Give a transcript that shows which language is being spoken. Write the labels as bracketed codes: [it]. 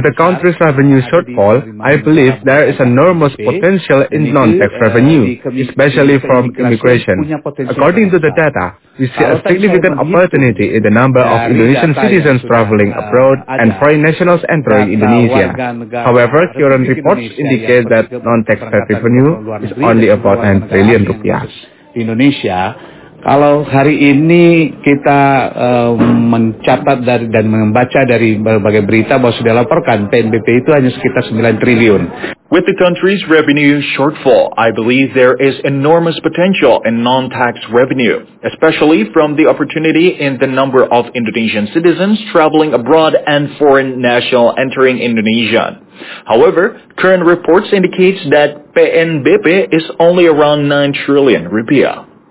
[en] with the country's revenue shortfall, I believe there is enormous potential in non-tax revenue, especially from immigration. According to the data, we see a significant opportunity in the number of Indonesian citizens traveling abroad and foreign nationals entering Indonesia. However, current reports indicate that non-tax revenue is only about 9 trillion rupiah. Indonesia. [id] Kalau hari ini kita mencatat dari, dan membaca dari berbagai berita bahwa sudah laporkan PNBP itu hanya sekitar 9 triliun. [en] With the country's revenue shortfall, I believe there is enormous potential in non-tax revenue, especially from the opportunity in the number of Indonesian citizens traveling abroad and foreign national entering Indonesia. However, current reports indicates that PNBP is only around 9 trillion rupiah.